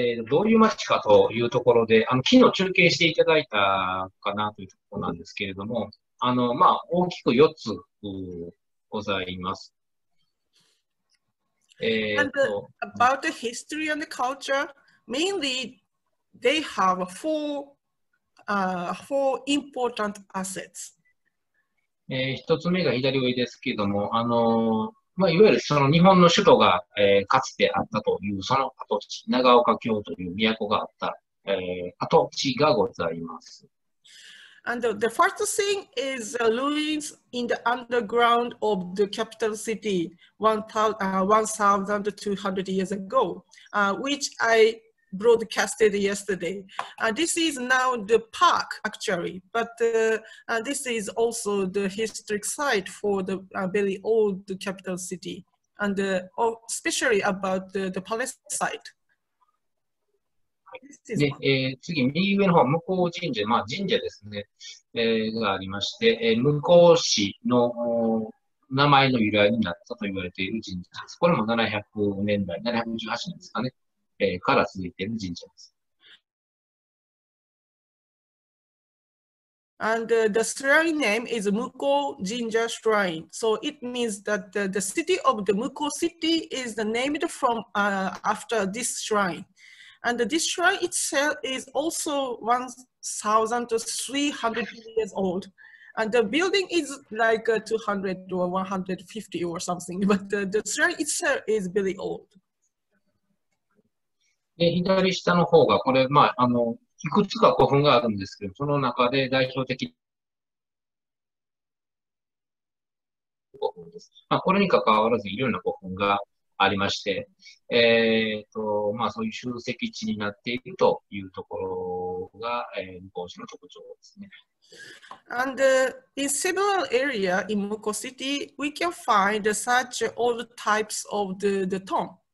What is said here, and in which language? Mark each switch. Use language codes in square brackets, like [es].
[ja] どういう街かというところで、昨日中継していただいたかなというところなんですけれども、まあ、大きく4つございます。 [en] About the history and the culture, mainly,They have four important assets. [ja] 一つ目が左上ですけども、まあ、いわゆるその日本の首都が、かつてあったというその跡地、長岡京という都があった、跡地がございます。 [en] And the first thing is the ruins in the underground of the capital city 1,200 years ago, which IBroadcasted yesterday. This is now the park, actually, but this is also the historic site for the very old capital city, and especially about the palace site. [ja] 次、右上の方、向こう神社、まあ神社ですね、がありまして、向こう市の名前の由来になったと言われている神社です。これも700年代、718年ですかね。から続いている神社です。 [en] And the shrine name is Muko Jinja Shrine. So it means that the city of the Muko City is named from after this shrine. And this shrine itself is also 1,300 years old. And the building is like 200 or 150 or something. But the shrine itself is really old. [ja] 左下の方が、これ、まあ、いくつか古墳があるんですけど、その中で代表的な古墳です。まあ、これに関わらず、いろいろな古墳がありまして、まあ、そういう集積地になっているというところが、向こう市の特徴ですね。 [en] And in several areas in Muko City, we can find such old types of the tomb.